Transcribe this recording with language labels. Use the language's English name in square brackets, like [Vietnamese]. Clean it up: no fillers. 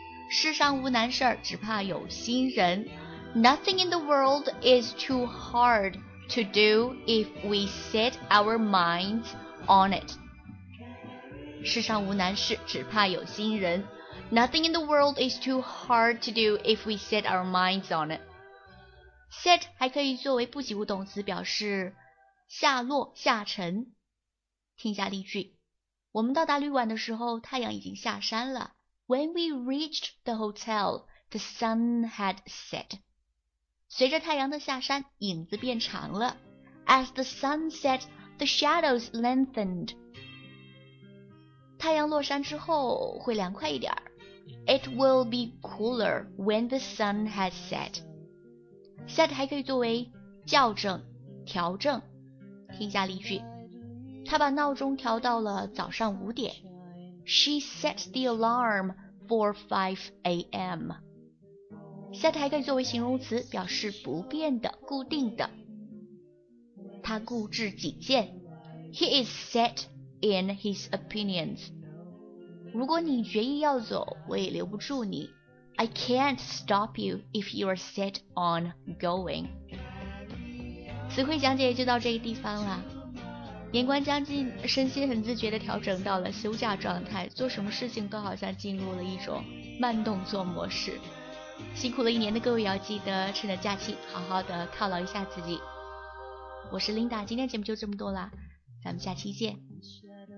[Chinese] 世上无难事，只怕有心人。 [English] Nothing in the world is too hard to do if we set our minds on it. [Chinese] 世上无难事，只怕有心人。 [English] Nothing in the world is too hard to do if we set our minds on it. [Chinese] Set 还可以作为不及物动词，表示下落、下沉。听一下例句，我们到达旅馆的时候太阳已经下山了。 [English] When we reached the hotel, the sun had set. [Chinese] 随着太阳的下山，影子变长了。 [English] As the sun set, the shadows lengthened. [Chinese] 太阳落山之后会凉快一点。 [English] It will be cooler when the sun has set. [Chinese] Set 还可以作为校正、调整。听下例句，他把闹钟调到了早上五点。 [English] She set the alarm for 5 a.m. [Chinese] Set 还可以作为形容词，表示不变的、固定的。他固执己见。 [English] He is set in his opinions. [Chinese] 如果你决意要走，我也留不住你。 [English] I can't stop you if you are set on going. [Chinese] 词汇讲解就到这个地方了。年关将近，身心很自觉地调整到了休假状态，做什么事情都好像进入了一种慢动作模式。辛苦了一年的各位要记得趁着假期好好的犒劳一下自己。我是 Linda， 今天节目就这么多了，咱们下期见。